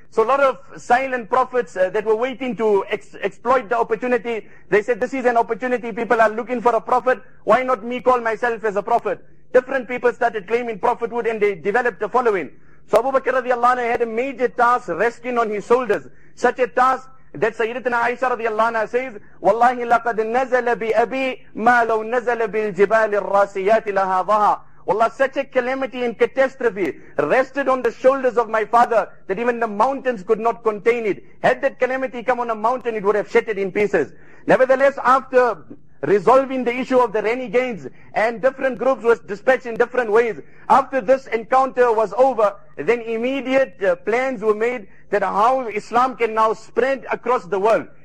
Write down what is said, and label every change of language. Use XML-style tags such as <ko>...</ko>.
<en>So a lot of silent prophets that were waiting to exploit the opportunity, they said, this is an opportunity, people are looking for a prophet, why not me call myself as a prophet? Different people started claiming prophethood and they developed a following. So Abu Bakr radiallahu anhu had a major task resting on his shoulders. Such a task that Sayyidatina Aisha radiallahu anhu says,</en> <ar>وَاللَّهِ لَقَدْ نَزَلَ بِأَبِي مَا لَوْ نَزَلَ بِالْجِبَالِ الرَّاسِيَاتِ لَهَا ظَهَا.</ar> <en>Wallah, such a calamity and catastrophe rested on the shoulders of my father that even the mountains could not contain it. Had that calamity come on a mountain, it would have shattered in pieces. Nevertheless, after resolving the issue of the renegades and different groups was dispatched in different ways, after this encounter was over, then immediate plans were made that how Islam can now spread across the world.</en>